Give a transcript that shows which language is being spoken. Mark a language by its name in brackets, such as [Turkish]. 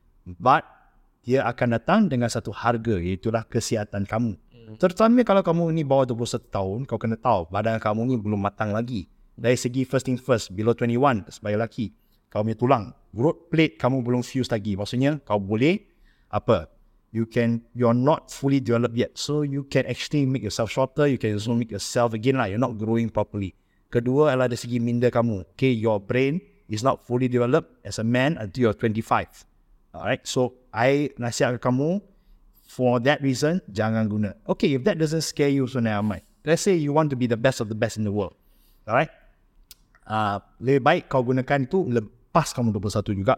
[Malay] But dia akan datang dengan satu harga, iaitulah kesihatan kamu. Terutama kalau kamu ni bawah 21 tahun, kau kena tahu badan kamu ni belum matang lagi. Dari segi first thing first, below 21 sebagai lelaki, kau punya tulang, growth plate kamu belum fused lagi. Maksudnya kau boleh apa? [English] You're not fully developed yet. So you can actually make yourself shorter, you can also make yourself again lah, you're not growing properly. [Malay] Kedua adalah dari segi minda kamu. [English] Okay, your brain is not fully developed as a man until you're 25. [Malay] Alright, so I nasihatkan kamu, [English] for that reason, [Malay] jangan guna. [English] Okay, if that doesn't scare you, so never mind. Let's say you want to be the best of the best in the world. [Malay] Alright, lebih baik kau gunakan tu lepas kamu 21 juga.